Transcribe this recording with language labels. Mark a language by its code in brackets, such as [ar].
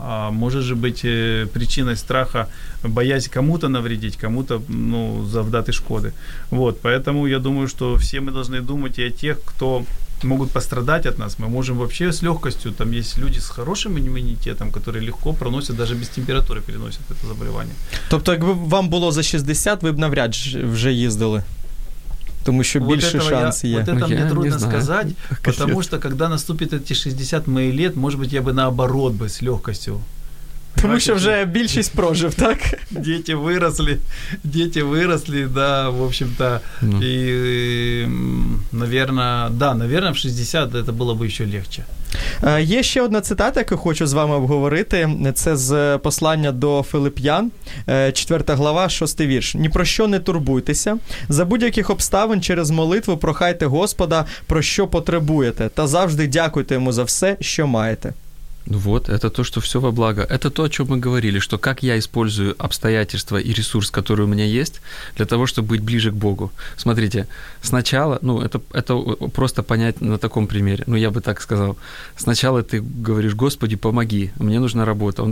[ru] А может же быть причиной страха боязнь кому-то навредить, кому-то, ну, [uk] завдать шкоды. [ru] Вот, поэтому я думаю, что все мы должны думать и о тех, кто могут пострадать от нас. Мы можем вообще с легкостью, там есть люди с хорошим иммунитетом, которые легко проносят, даже без температуры переносят это заболевание. [uk] Тобто, якби вам було за 60, ви б навряд вже їздили? Тому що більше шанс є. [ru] Вот это мне трудно сказать, потому что когда наступит эти 60 моих лет, может быть, я бы наоборот бы с легкостью. [uk] Тому що вже більшість прожив, так? Діти виросли, [ru] да, в общем-то. [uk] Ну. І, [ru] наверное, [uk] в 60 це було б ще легче. Є ще одна цитата, яку хочу з вами обговорити. Це з послання до Филип'ян, 4 глава, 6 вірш. «Ні про що не турбуйтеся. За будь-яких обставин через молитву прохайте Господа, про що потребуєте, та завжди дякуйте Йому за все, що маєте». [ru] Ну вот, это то, что все во благо. Это то, о чем мы говорили, что как я использую обстоятельства и ресурс, который у меня есть, для того, чтобы быть ближе к Богу. Смотрите, сначала, ну, это просто понять на таком примере, ну, я бы так сказал. Сначала ты говоришь: «Господи, помоги, мне нужна работа».